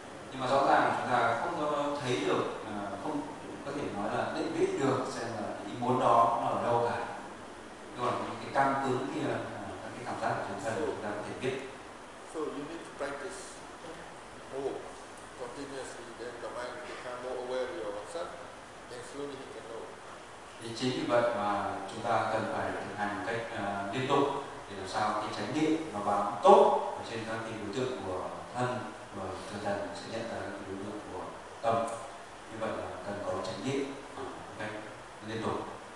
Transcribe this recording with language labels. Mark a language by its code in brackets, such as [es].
[vi] Nhưng mà rõ ràng chúng ta không có thấy được, không có thể nói là định biết được xem là ý muốn đó nó ở đâu cả, nhưng mà cái căng cứng kia cảm giác của chúng ta đang thể biết. [en] So you need to practice more continuously, then the mind become more aware of yourself, then slowly you can know. [vi] Thì chính vì vậy mà chúng ta cần phải thực hành cách liên tục để làm sao cái chánh niệm nó bám tốt ở trên các cái đối tượng của thân và thân thần sẽ nhận ra các đối tượng của tâm. Như vậy là cần có chánh niệm cách liên tục.